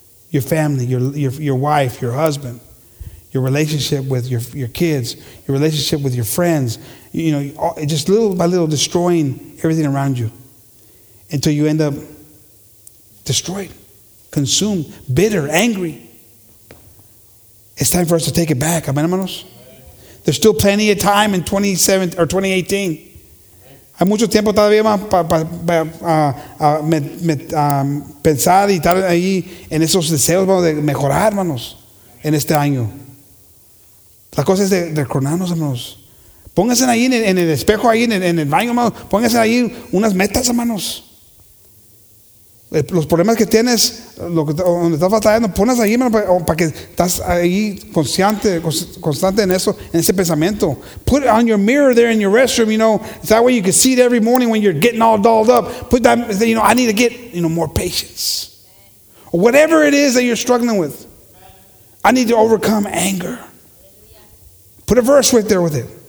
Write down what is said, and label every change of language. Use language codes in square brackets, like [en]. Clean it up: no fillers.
[en] Your family, your wife, your husband, your relationship with your kids, your relationship with your friends, you know, just little by little destroying everything around you until you end up destroyed, consumed, bitter, angry. It's time for us to take it back. Amen, hermanos? There's still plenty of time in 2017 or 2018. [es] Hay mucho tiempo todavía para pensar y estar ahí en esos deseos de mejorar, hermanos, en este año. La cosa es de coronarnos, hermanos. Pónganse ahí en el espejo, ahí en el baño, hermanos. Pónganse ahí unas metas, hermanos. Los problemas que tienes, donde estás batallando, pónganse ahí, hermanos, para que estás ahí constante en eso, en ese pensamiento. [en] Put it on your mirror there in your restroom, you know. That way you can see it every morning when you're getting all dolled up. Put that, you know, I need to get, you know, more patience. Or whatever it is that you're struggling with. I need to overcome anger. Put a verse right there with it.